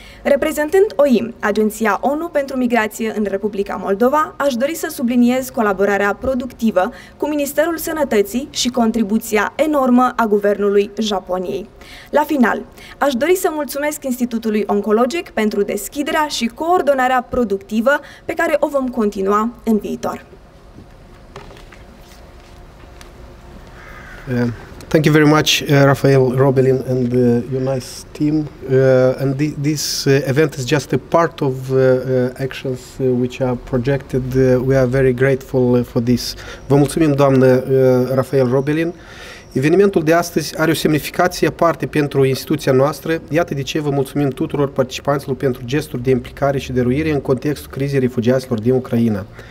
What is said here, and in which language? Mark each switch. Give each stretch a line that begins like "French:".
Romanian: Reprezentând OIM, Agenția ONU pentru Migrație în Republica Moldova, aș dori să subliniez colaborarea productivă cu Ministerul Sănătății și contribuția enormă a Guvernului Japoniei. La final, aș dori să mulțumesc Institutului Oncologic pentru deschiderea și coordonarea productivă pe care o vom continua în viitor.
English: Thank you very much, Rafael Robelin, and your nice team. And this event is just a part of actions which are projected. We are very grateful for this.
Romanian: Vă mulțumim, doamnă Rafael Robelin. Evenimentul de astăzi are o semnificație aparte pentru instituția noastră. Iată de ce vă mulțumim tuturor participanților pentru gesturi de implicare și dăruire în contextul crizei refugiaților din Ucraina.